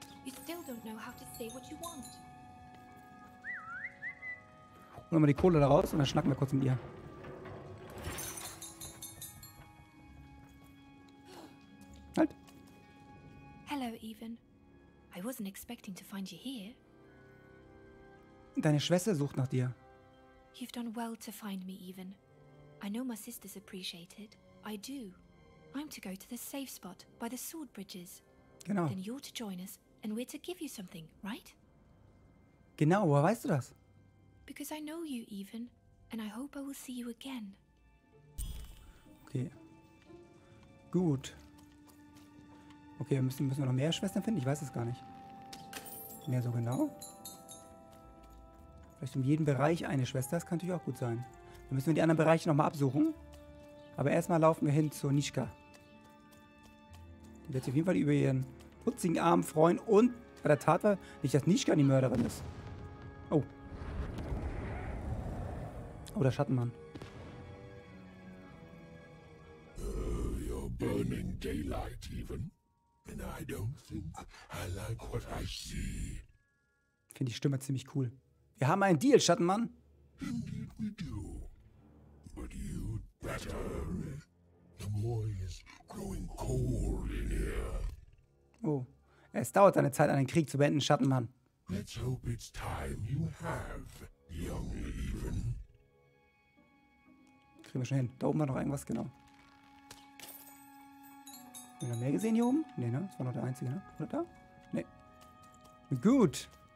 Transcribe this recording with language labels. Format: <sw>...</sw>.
<en>You still don't know how to say what you want.</en> <de>Holen wir mal die Kohle da raus und dann schnacken wir kurz mit ihr. Halt.</de> <en>Hello, Even. I wasn't expecting to find you here.</en> <de>Deine Schwester sucht nach dir.</de> <en>You've done well to find me, Even. I know my sisters appreciate it. I do. I'm to go to the safe spot by the sword bridges.</en> <de>Genau.</de> <en>Then you're to join us and we're to give you something, right?</en> <de>Genau, woher weißt du das?</de> <en>Because I know you, Even, and I hope I will see you again.</en> <de>Okay. Gut. Okay, müssen wir noch mehr Schwestern finden? Ich weiß es gar nicht. Mehr so genau? Vielleicht in jedem Bereich eine Schwester. Das kann natürlich auch gut sein. Dann müssen wir die anderen Bereiche nochmal absuchen. Aber erstmal laufen wir hin zu Nishka. Die wird sich auf jeden Fall über ihren putzigen Arm freuen. Und bei der Tat war nicht, dass Nishka die Mörderin ist. Oh. Oh, der Schattenmann.</de> <en>You're burning daylight even. And I don't think I like what I see.</en> <de>Finde die Stimme ziemlich cool. Wir haben einen Deal, Schattenmann.</de> <en>Indeed we do. But you'd better. The boy is growing cold in here.</en> <de>Oh, es dauert eine Zeit, einen Krieg zu beenden, Schattenmann.</de> <en>Let's hope it's time you have, young Even.</en> <de>Kriegen wir schon hin. Da oben war noch irgendwas, genau. Haben wir noch mehr gesehen hier oben? Nee, ne? Das war noch der einzige, ne? Oder da? Nee. Gut.</de>